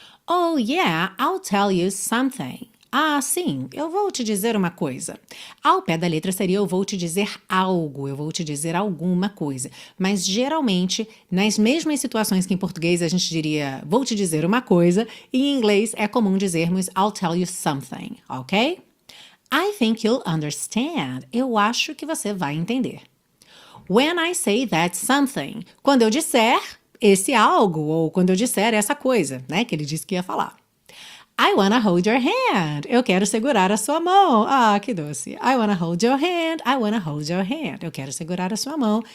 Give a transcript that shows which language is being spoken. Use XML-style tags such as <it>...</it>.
<en>Oh yeah, I'll tell you something.</en> <pt>Ah, sim, eu vou te dizer uma coisa. Ao pé da letra seria eu vou te dizer algo, eu vou te dizer alguma coisa. Mas geralmente, nas mesmas situações que em português a gente diria vou te dizer uma coisa, em inglês é comum dizermos</pt> <en>I'll tell you something,</en> <pt>ok?</pt> <en>I think you'll understand.</en> <pt>Eu acho que você vai entender.</pt> <en>When I say that something,</en> <pt>quando eu disser esse algo, ou quando eu disser essa coisa, né, que ele disse que ia falar.</pt> <en>I wanna hold your hand.</en> <pt>Eu quero segurar a sua mão. Ah, que doce.</pt> <en>I wanna hold your hand. I wanna hold your hand.</en> <pt>Eu quero segurar a sua mão.</pt>